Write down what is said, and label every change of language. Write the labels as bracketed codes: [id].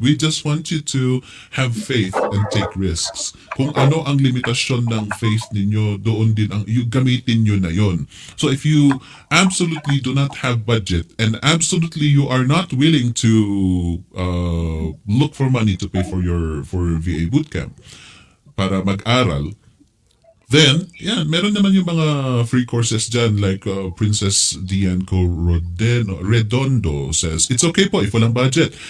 [en] We just want you to have faith and take risks. [tl] Kung ano ang limitasyon ng faith ninyo, doon din ang gamitin nyo na yon. [en] So if you absolutely do not have budget and absolutely you are not willing to look for money to pay for your VA bootcamp [tl] para mag-aral, [en] then yeah, [tl] meron naman yung mga free courses dyan, [en] like Princess Dianco Redondo says, it's okay po if [tl] walang [en] budget.